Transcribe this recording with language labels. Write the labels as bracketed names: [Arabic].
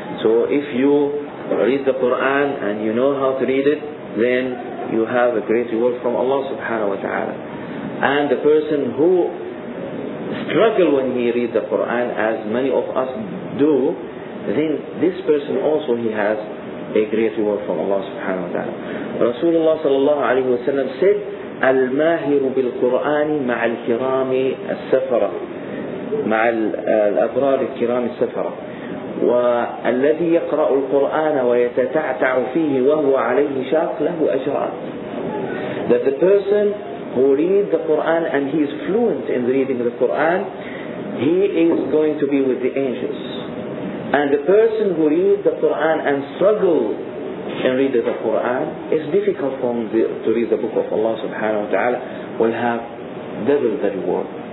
[English] So if you read the Quran and you know how to read it, then you have a great reward from Allah subhanahu wa ta'ala. And the person who struggle when he reads the Quran, as many of us do, then this person also, he has a great reward from Allah subhanahu wa ta'ala. [Arabic] Rasulullah sallallahu alayhi wa sallam said, الماهر بالقرآن مع الكرام السفرة مع الأبرار الكرام السفرة والذي يقرأ القرآن ويتتعتع فيه وهو عليه شاق له أجرات. [English] That the person who reads the Quran and he is fluent in reading the Quran, he is going to be with the angels. And the person who reads the Quran and struggles and read the Quran, it's difficult for him to read the book of Allah subhanahu wa ta'ala, will have double the reward.